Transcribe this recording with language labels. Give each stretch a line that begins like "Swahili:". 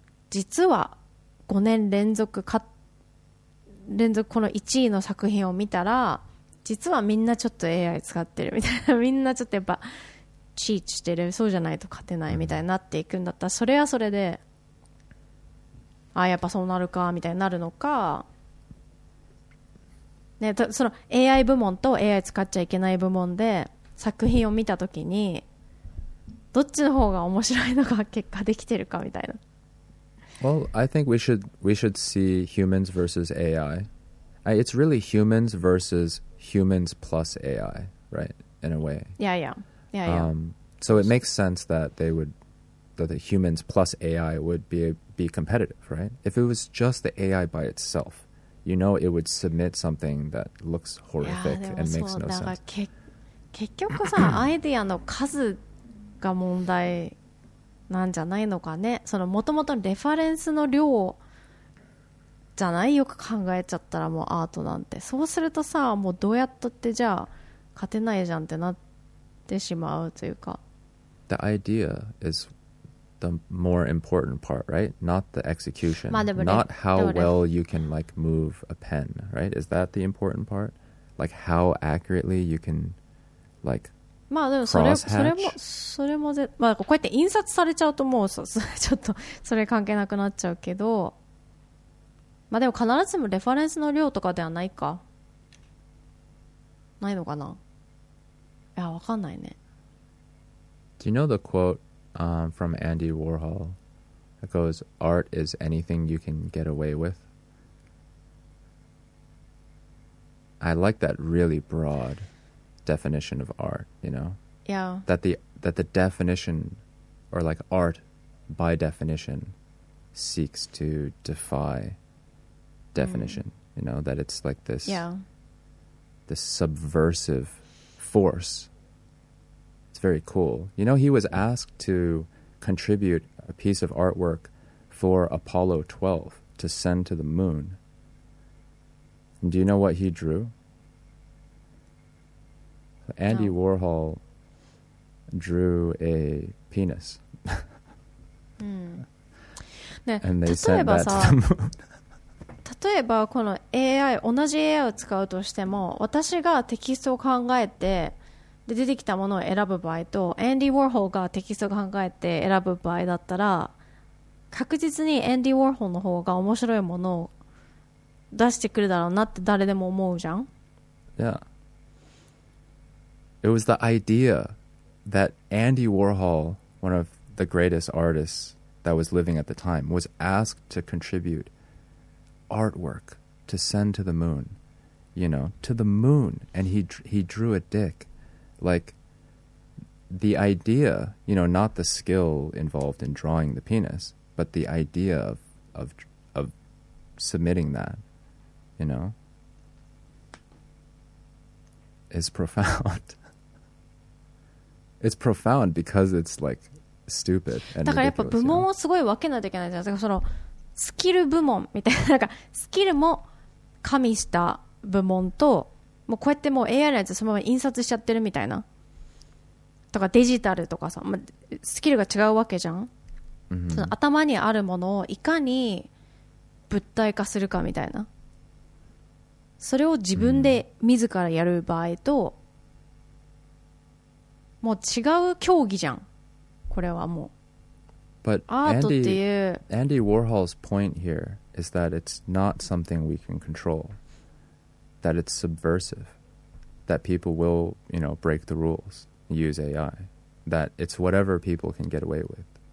Japanese: 実は5年連続この1位の作品を見たら、実はみんなちょっと AI 使ってるみたいな、みんなちょっとやっぱチーチしてる、そうじゃないと勝てないみたいになっていくんだったら、それはそれで、あ、やっぱそうなるかみたいになるのか、ね、その AI 部門と AI 使っちゃいけない部門で作品を見たときにどっちの方が面白いのか結果できてるかみたいな。
English: Well, I think we should see humans versus AI. It's really humans versus humans plus AI, right? In a way. Yeah, yeah. Yeah, yeah. So it makes sense that they would, that the humans plus AI would be competitive, right? If it was just the AI by itself, you know, it would submit something that looks horrific and makes no sense.
Japanese: 結局さ、アイデアの数が問題なんじゃないのかね。その元々レファレンスの量じゃない？よく考えちゃったらもうアートなんて。そうするとさ、もうどうやったってじゃあ勝てないじゃんってなってしまうというか。
English: The idea isthe more important part, right? Not the execution. Not how well you can like move a pen, right? Is that the important part? Like how accurately you can like crosshatch?
Japanese: こうやって印刷されちゃうともうちょっとそれ関係なくなっちゃうけど、まあでも必ずしもレファレンスの量とかではないか、ないのかな。いや、わかんないね。
English: Do you know the quote? From Andy Warhol, it goes, "Art is anything you can get away with." I like that really broad definition of art. You know, yeah. That the definition, or like art, by definition, seeks to defy definition. Mm. You know, that it's like this, yeah, this subversive force. Very cool. You know, he was asked to contribute a piece of artwork for Apollo 12 to send to the moon. And do you know what he drew? Andy Warhol drew a penis. 、ね、And they sent that to the moon.
Japanese: 例えばこの AI、 同じ AI を使うとしても、私がテキストを考えてで出てきたものを選ぶ場合と、エンディ・ウォーホルがテキストを考えて選ぶ場合だったら、確実にエンディ・ウォーホルの方が面白いものを出してくるだろうなって誰でも思うじゃん。
English: Yeah. It was the idea that Andy Warhol, one of the greatest artists that was living at the time, was asked to contribute artwork to send to the moon. You know, to the moon. And he drew a dick. Like, the idea, you know, not the skill involved in drawing the penis, but the idea of submitting that, you know, is profound. It's profound because it's, like, stupid and
Japanese: だからやっぱ部門をすごい分けないといけないじゃん。だからそのスキル部門みたいな、なんかスキルも加味した部門と、もうこうやってもう AI のやつそのまま印刷しちゃってるみたいな、とかデジタルとかさ、まあ、スキルが違うわけじゃん、その頭にあるものをいかに物体化するかみたいな、それを自分で自らやる場合と、もう違う競技じゃんこれはもう。
English: But Andy Warhol's point here is that it's not something we can control. That it's subversive. That people will, you know, break the rules, use AI. That it's whatever people can get away with.